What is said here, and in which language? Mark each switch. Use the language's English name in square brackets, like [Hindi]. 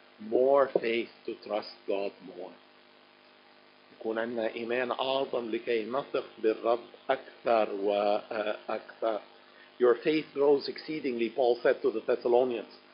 [English] More faith to trust God more. [Arabic] يكون عندنا إيمان أعظم لكي نثق بالرب أكثر وأكثر. [English] Your faith grows exceedingly, Paul said to the Thessalonians.